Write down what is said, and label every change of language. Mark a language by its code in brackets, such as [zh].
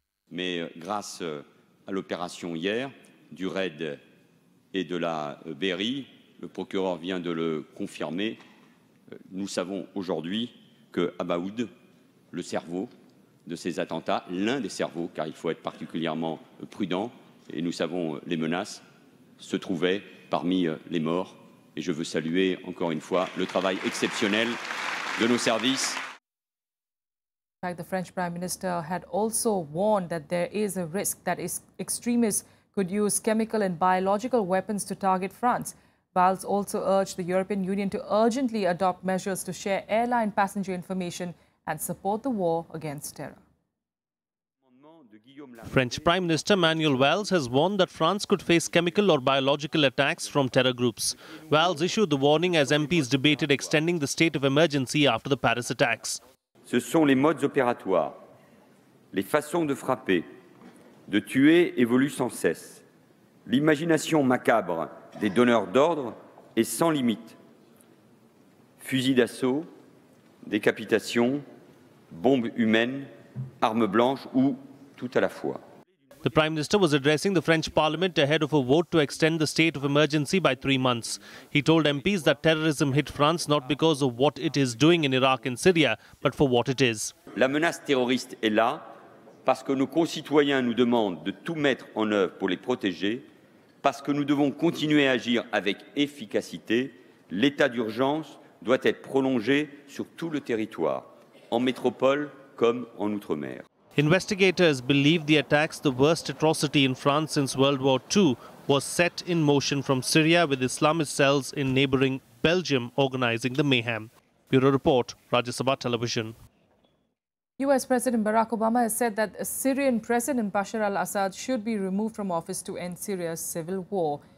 [fr] Mais grâce à l'opération hier du raid et de la BRI, le procureur vient de le confirmer, nous savons aujourd'hui que Abaoud, le cerveau de ces attentats, l'un des cerveaux, car il faut être particulièrement prudent, et nous savons les menaces, se trouvait parmi les morts. Et je veux saluer encore une fois le travail exceptionnel de nos services. [en] In fact, the French Prime Minister had also warned that there is a risk that extremists could use chemical and biological weapons to target France. Valls also urged the European Union to urgently adopt measures to share airline passenger information and support the war against terror. French Prime Minister Manuel Valls has warned that France could face chemical or biological attacks from terror groups. Valls issued the warning as MPs debated extending the state of emergency after the Paris attacks. [fr] Ce sont les modes opératoires, les façons de frapper, de tuer évoluent sans cesse. L'imagination macabre des donneurs d'ordre est sans limite. Fusils d'assaut, décapitation, bombes humaines, armes blanches ou tout à la fois. [en] The Prime Minister was addressing the French Parliament ahead of a vote to extend the state of emergency by 3 months. He told MPs that terrorism hit France not because of what it is doing in Iraq and Syria, but for what it is. [fr] La menace terroriste est là parce que nos concitoyens nous demandent de tout mettre en œuvre pour les protéger, parce que nous devons continuer à agir avec efficacité. L'état d'urgence doit être prolongé sur tout le territoire, en métropole comme en outre-mer. [en] Investigators believe the attacks, the worst atrocity in France since World War II, was set in motion from Syria with Islamist cells in neighbouring Belgium organising the mayhem. Bureau Report, Rajya Sabha Television. US President Barack Obama has said that Syrian President Bashar al-Assad should be removed from office to end Syria's civil war.